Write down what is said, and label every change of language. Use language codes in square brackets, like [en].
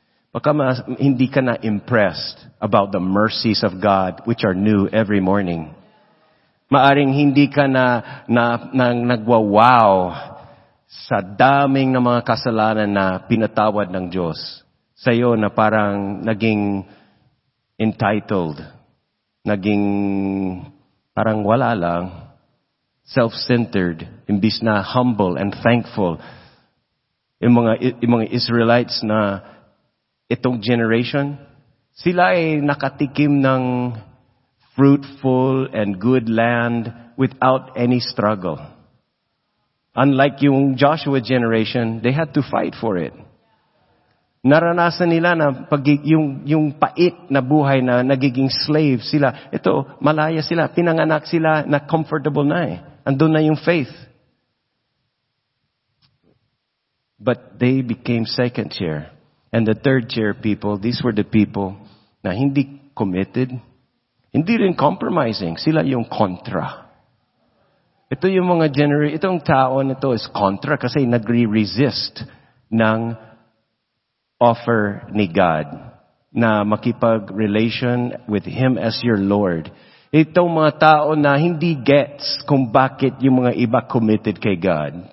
[tl] Baka hindi ka na [en] impressed about the mercies of God which are new every morning. [tl] Maaring hindi ka na nagwa-wow sa daming ng mga kasalanan na pinatawad ng Diyos. Sa'yo na parang naging entitled, naging parang wala lang, self-centered, imbis na [en] humble and thankful. [tl] Yung mga Israelites na itong generation, sila ay nakatikim ng [en] fruitful and good land without any struggle. Unlike yung Joshua generation, they had to fight for it. [tl] Naranasan nila na yung pait na buhay na nagiging slave sila. Ito, malaya sila. Pinanganak sila na comfortable na eh. Andun na yung faith. [en] But they became second tier. And the third tier people, these were the people [tl] na hindi [en] committed. [tl] Hindi rin compromising. Sila yung contra. Ito yung mga generation. Itong taon ito is contra kasi nagre-resist ng offer ni God na makipag-relation [en] with Him as your Lord. [tl] Itong mga tao na hindi gets kung bakit yung mga iba committed kay God.